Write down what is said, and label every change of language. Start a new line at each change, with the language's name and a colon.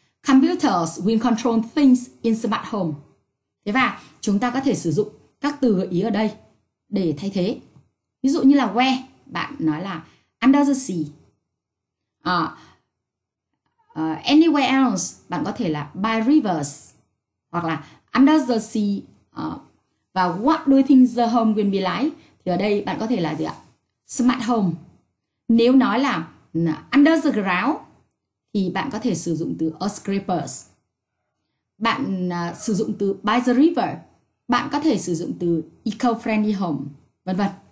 English: Computers will control things in smart home.
Vietnamese: Thế và chúng ta có thể sử dụng các từ gợi ý ở đây để thay thế. Ví dụ như là where, bạn nói là under the sea. Anywhere else, bạn có thể là by rivers. Hoặc là under the sea. Và
English: what do you think the home will be like?
Vietnamese: Thì ở đây bạn có thể là gì ạ? Smart home. Nếu nói là under the ground, thì bạn có thể sử dụng từ earth scrapers. Bạn sử dụng từ by the river, bạn có thể sử dụng từ eco-friendly home, vân vân.